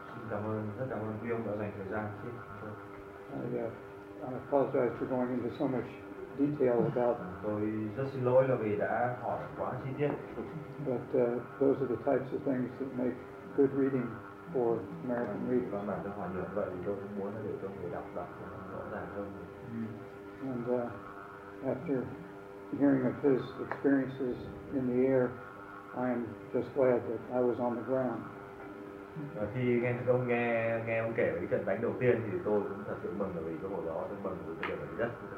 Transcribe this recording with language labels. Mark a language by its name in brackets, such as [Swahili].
[Vietnamese] Cảm ơn rất cảm ơn ông đã dành thời gian. [English] I apologize for going into so much detail about. [Vietnamese] Tôi rất xin lỗi là vì đã hỏi quá chi tiết. [English] But those are the types of things that make good reading for American readers. [Vietnamese] Và bản thân hỏi như vậy thì tôi cũng muốn là để cho người đọc đọc rõ ràng hơn. [English] And after hearing of his experiences in the air, I am just glad that I was on the ground. [Vietnamese] Và khi nghe ông nghe nghe ông kể về cái trận đánh đầu tiên thì tôi cũng thật sự mừng là vì cái hồi đó tôi mừng vì cái điều đấy nhất.